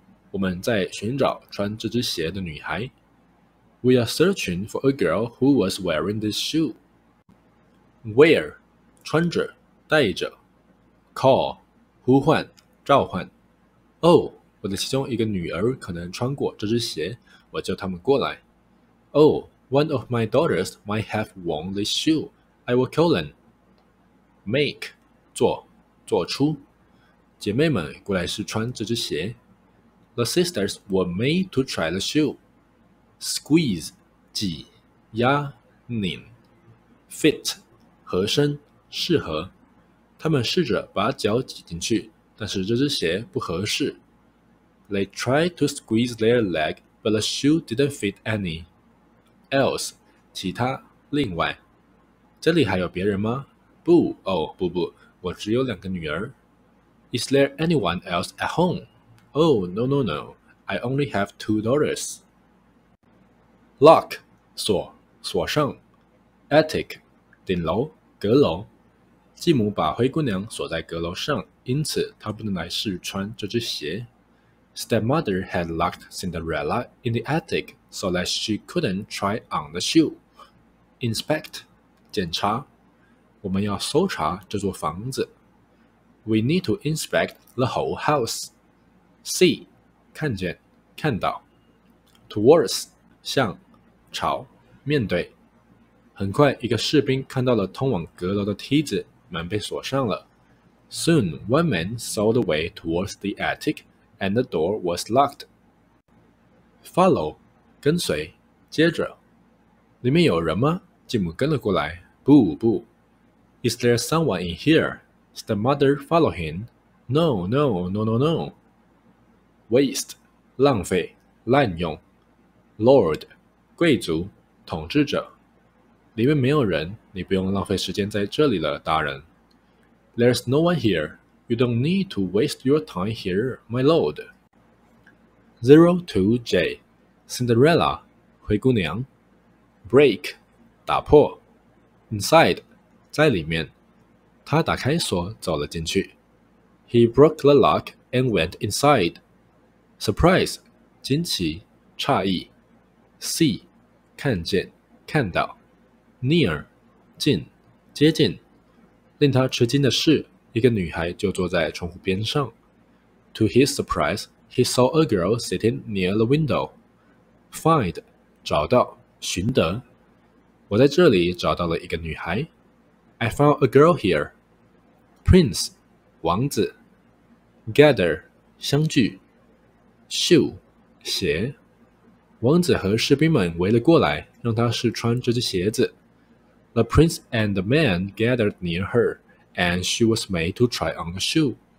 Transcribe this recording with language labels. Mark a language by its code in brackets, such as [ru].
[zh] 我们在寻找穿这只鞋的女孩。 [en] We are searching for a girl who was wearing this shoe. [zh] Wear, 穿着，戴着。Call, 呼唤，召唤。 Oh, 我的其中一个女儿可能穿过这只鞋，我叫她们过来。 [en] Oh, one of my daughters might have worn this shoe. I will call them. Make, 做，做出。 [zh] 姐妹们过来试穿这只鞋。 [en] The sisters were made to try the shoe. [zh] Squeeze, 挤，压，拧。 Fit, 合身，适合。他们试着把脚挤进去，但是这只鞋不合适。 [en] They tried to squeeze their leg, but the shoe didn't fit any. [zh] Else, 其他，另外。这里还有别人吗？不，哦，不不，我只有两个女儿。 [en] Is there anyone else at home? Oh, no, no, no. I only have two daughters. Lock, 锁，锁上。 [zh] Attic, 顶楼，阁楼。继母把灰姑娘锁在阁楼上，因此她不能来试穿这只鞋。 [en] Stepmother had locked Cinderella in the attic so that she couldn't try on the shoe. [zh] Inspect, 检查。我们要搜查这座房子。 [en] We need to inspect the whole house. See, 看见，看到。 [zh] Towards, 向，朝，面对。很快，一个士兵看到了通往阁楼的梯子，门被锁上了。 [en] Soon, one man saw the way towards the attic, and the door was locked. [zh] Follow, 跟随，接着。里面有人吗？继母跟了过来。不，不。 [en] Is there someone in here? Stepmother followed him. No, no, no, no, no. Waste, 浪费、滥用。 [zh] Lord, 贵族、统治者。里面没有人，你不用浪费时间在这里了，大人。 [en] There's no one here. You don't need to waste your time here, my lord. [zh] 02J, Cinderella, 灰姑娘。 Break, 打破。Inside, 在里面。他打开锁走了进去。 [en] He broke the lock and went inside. [zh] Surprise, 惊奇、诧异。See, 看见、看到。 Near, 近、接近。令他吃惊的是，一个女孩就坐在窗户边上。 [en] To his surprise, he saw a girl sitting near the window. [zh] Find, 找到、寻得。我在这里找到了一个女孩。 [en] I found a girl here. Prince, 王子。 [zh] Gather, 相聚。Shoe, 鞋。王子和士兵们围了过来，让他试穿这只鞋子。 [en] The prince and the man gathered near her, and she was made to try on the shoe.